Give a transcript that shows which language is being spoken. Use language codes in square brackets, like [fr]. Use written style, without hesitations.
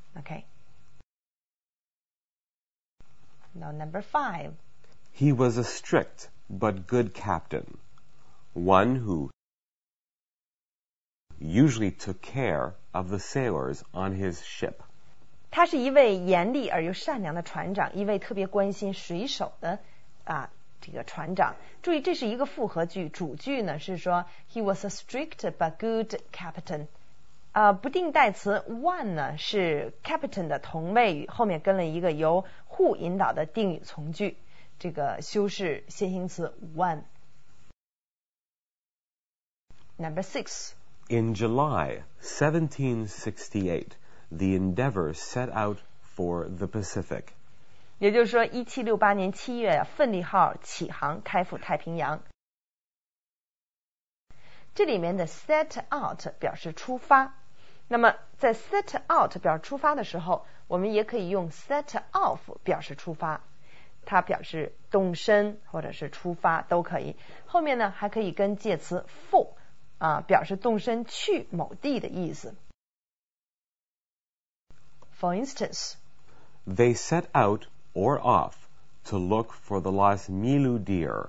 [en] Okay. Now number five. He was a strict but good captain, one who usually took care of the sailors on his ship. [zh] 他是一位严厉而又善良的船长，一位特别关心水手的这个船长。注意这是一个复合句，主句呢是说 [en] He was a strict but good captain。 [zh] 不定代词 one 呢是 captain 的同位语，后面跟了一个由 who 引导的定语从句，这个修饰先行词 one。 [en] Number six. In July 1768, the Endeavour set out for the Pacific. [zh] 也就是说1768年7月奋力号起航开赴太平洋。这里面的 set out 表示出发。那么在 set out 表示出发的时候，我们也可以用 set off 表示出发。它表示动身或者是出发都可以。后面呢还可以跟介词 for。表示动身去某地的意思。 [en] For instance, they set out or off to look for the lost Milu deer.